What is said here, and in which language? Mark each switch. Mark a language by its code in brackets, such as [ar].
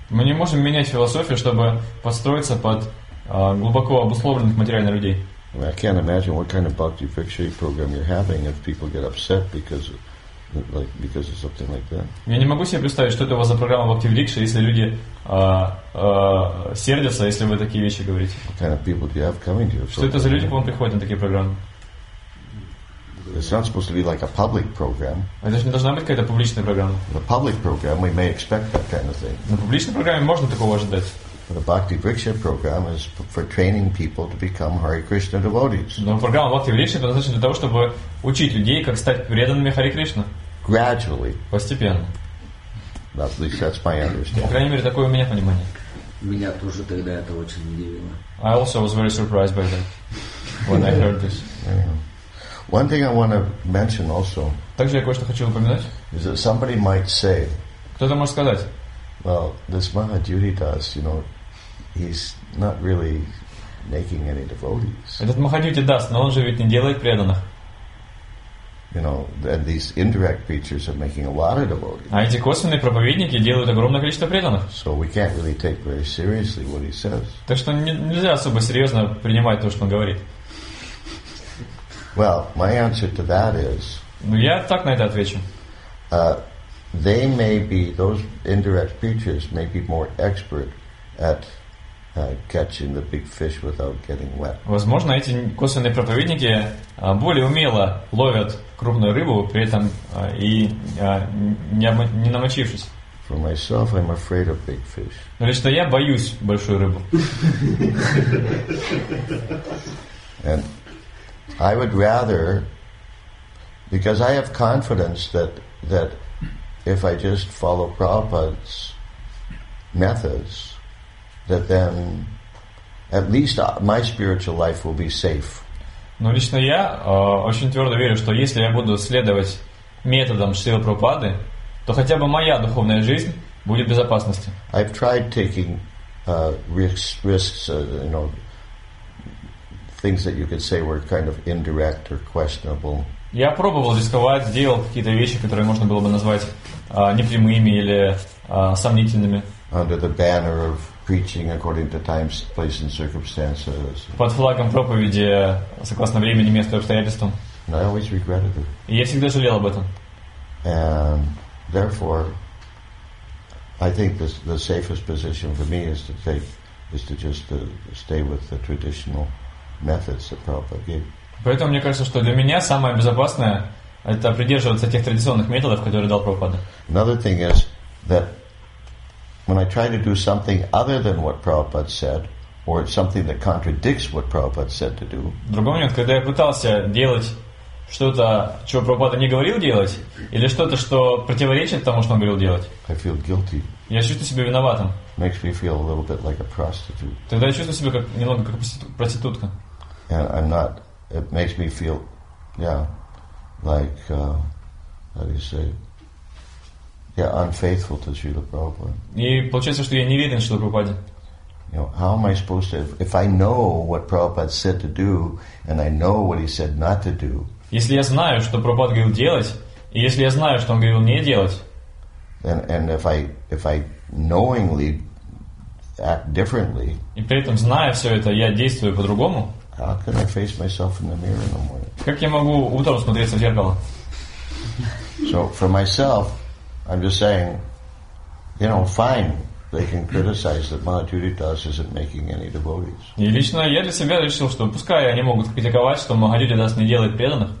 [ru] Мы не можем менять философию, чтобы подстроиться под глубоко обусловленных материальных людей. [en] I can't imagine what kind of Bhakti Vriksha program you're having if people get upset because of something like that. [ru] Я не могу себе представить, что это у вас за программа Bhakti Vriksha, если люди сердятся, если вы такие вещи говорите. [en] What kind of people do you have coming to your [ru] program? Что это за люди, к вам приходят на такие программы? [en] It's not supposed to be like a public program. [ru] Это же не должна быть какая-то публичная программа. [en] The public program, we may expect that kind of thing. [ru] На публичной программе можно такого ожидать. [en] But the Bhakti Vriksha program is for training people to become Hare Krishna devotees. [ru] Но программа Bhakti Vriksha предназначена для того, чтобы учить людей, как стать преданными Hare Krishna. [en] Gradually. [ru] Постепенно. [en] At least that's my understanding. [ru] По крайней мере, такое у меня понимание. Меня тоже тогда это очень удивило. [en] I also was very surprised by that when I heard this. One thing I want to mention also. [ru] Также я кое-что хочу упомянуть. [en] Is that somebody might say? [ru] Кто-то может сказать. [en] Well, this Mahadyutidas, you know, he's not really making any devotees. [ru] Этот Махадьютидас, но он же ведь не делает преданных. [en] You know, and these indirect preachers are making a lot of devotees. [ru] А эти косвенные проповедники делают огромное количество преданных. [en] So we can't really take very seriously what he says. [ru] Так что нельзя особо серьезно принимать то, что он говорит. [en] Well, my answer to that is. [ru] Ну я так на это отвечу. [en] They may be, those indirect preachers may be more expert at catching the big fish without getting wet. [ru] Возможно, эти косвенные проповедники более умело ловят крупную рыбу, при этом и не намочившись. [en] For myself, I'm afraid of big fish. [ru] Но лично я боюсь большую рыбу. [en] And I would rather, because I have confidence that if I just follow Prabhupada's methods, that then at least my spiritual life will be safe. [ru] Но лично я очень твердо верю, что если я буду следовать методам Шрилы Прабхупады, то хотя бы моя духовная жизнь будет в безопасности. [en] I've tried taking risks, you know, things that you could say were kind of indirect or questionable. [ru] Я пробовал рисковать, делал какие-то вещи, которые можно было бы назвать непрямыми или сомнительными. [en] Under the banner of preaching according to time, place, and circumstances. [ru] Под флагом проповеди согласно времени, месту и обстоятельствам. [en] And I always regretted it. [ru] И я всегда жалел об этом. [en] And therefore, I think the safest position for me is to stay with the traditional methods that Prabhupada gave. [ru] Поэтому мне кажется, что для меня самое безопасное — это придерживаться тех традиционных методов, которые дал Прабхупада. [en] Another thing is that when I try to do something other than what Prabhupada said, or something that contradicts what Prabhupada said to do. [ru] Другой момент, когда я пытался делать что-то, чего Прабхупада не говорил делать, или что-то, что противоречит тому, что он говорил делать. [en] I feel guilty. [ru] Я чувствую себя виноватым. [en] Makes me feel a little bit like a prostitute. [ru] Тогда я чувствую себя немного как проститутка. [en] And I'm not. It makes me feel, unfaithful to Srila Prabhupada. [ru] И получается, что я не верен Шриле Прабхупаде. [en] You know, how am I supposed to, if I know what Prabhupada said to do, and I know what he said not to do. [ru] Если я знаю, что Прабхупада говорил делать, и если я знаю, что он говорил не делать. [en] And if I knowingly act differently. [ru] И при этом, зная все это, я действую по-другому. [en] How can I face myself in the mirror in the morning? [ru] Как я могу утром смотреться в зеркало? [en] So for myself, I'm just saying, you know, fine. They can criticize that Mahadhyudhidas isn't making any devotees. [ru] И лично я для себя решил, что пускай они могут критиковать, что Махадюдидас не делает преданных.